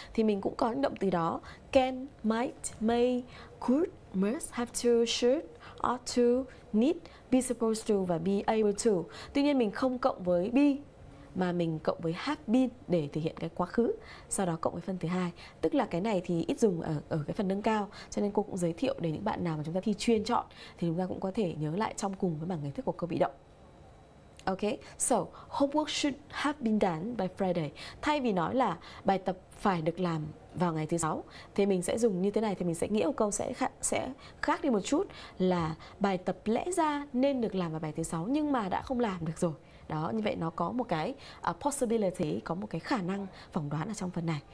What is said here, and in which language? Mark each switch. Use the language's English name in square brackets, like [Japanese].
[Vietnamese] Thì mình cũng có những động từ đó. [English] Can, might, may, could, must, have to, should, ought to, need, be supposed to và be able to. [Vietnamese] Tuy nhiên mình không cộng với be mà mình cộng với have been để thể hiện cái quá khứ, sau đó cộng với phân thứ hai. Tức là cái này thì ít dùng ở cái phần nâng cao, cho nên cô cũng giới thiệu để những bạn nào mà chúng ta thi chuyên chọn thì chúng ta cũng có thể nhớ lại trong cùng với bảng kiến thức của câu bị động. [English] Ok, so homework should have been done by Friday. [Vietnamese] Thay vì nói là bài tập phải được làm vào ngày thứ sáu, thì mình sẽ dùng như thế này, thì mình sẽ nghĩa một câu sẽ khác đi một chút, là bài tập lẽ ra nên được làm vào ngày thứ sáu nhưng mà đã không làm được rồi. Đó, như vậy nó có một cái possibility, có một cái khả năng phỏng đoán ở trong phần này.